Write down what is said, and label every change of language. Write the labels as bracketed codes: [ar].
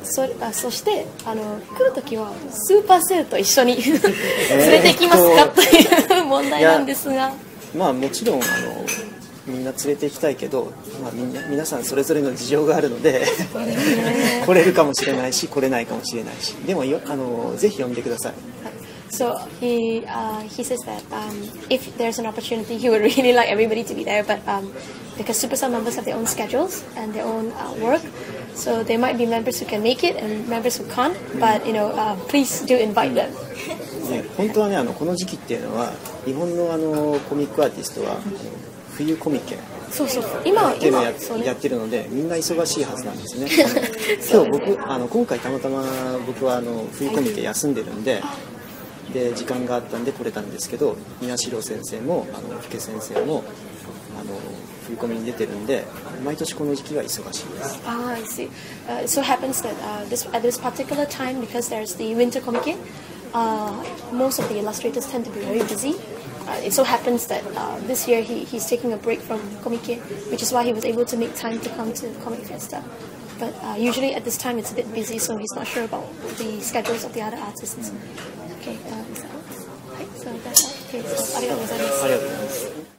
[ja] そして来るときはスーパーセルと一緒に連れてきますかという問題なんですが、まあもちろんみんな連れて行きたいけど、皆さんそれぞれの事情があるので来れるかもしれないし来れないかもしれないし、でもぜひ呼んでください。 [en] So he says that if there's an opportunity he would really like everybody to be there, but because Supercell members have their own schedules and their own work, so there might be members who can make it and members who can't, but you know, please do invite them. [ja] 本当はね、この時期っていうのは日本のコミックアーティストは冬コミケ、そう今やってるので、ね、みんな忙しいはずなんですね。今日僕今回たまたま僕は冬コミケ休んでるんで、で時間があったんで来れたんですけど、宮城先生も福家先生も冬コミに出てるんで、毎年この時期は忙しいです。 [en] ああ、I see. So happens that at this particular time, because there's the winter comic, most of the illustrators tend to be very busy. It so happens that this year he's taking a break from Comic-Con, which is why he was able to make time to come to Comic Fiesta. But usually at this time it's a bit busy, so he's not sure about the schedules of the other artists. Okay, so that's all. Okay, so [ja] ありがとうございます。